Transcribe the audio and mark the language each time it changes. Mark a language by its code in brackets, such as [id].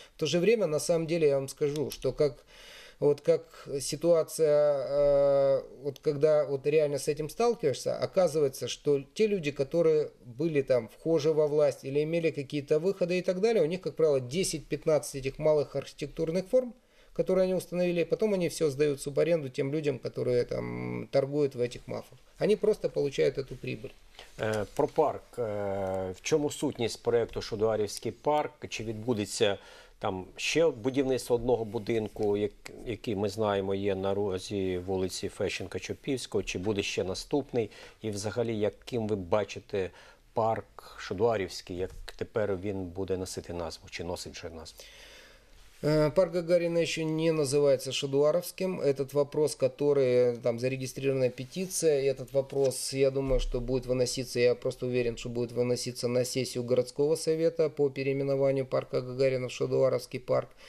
[ru] В то же время, на самом деле, я вам скажу, что как ситуация, когда реально с этим сталкиваешься, оказывается, что те люди, которые были там вхожи во власть или имели какие-то выходы и так далее, у них, как правило, 10-15 этих малых архитектурных форм, которые они установили, и потом они все сдают в субаренду тем людям, которые там торгуют в этих МАФах. Они просто получают эту прибыль. Про парк. [uk] В чому сутність проекту щодо Арівський парк? Чи відбудеться там ще будівництво одного будинку, який ми знаємо є на розі вулиці Фещенка-Чопівського, чи буде ще наступний? І взагалі, яким ви бачите парк Шодуарівський, як тепер він буде носити назву, чи носить вже назву? [ru] Парк Гагарина еще не называется Шадуаровским. Этот вопрос, который там зарегистрирована петиция, этот вопрос, я думаю, что будет выноситься, я просто уверен, что будет выноситься на сессию городского совета по переименованию парка Гагарина в Шадуаровский парк.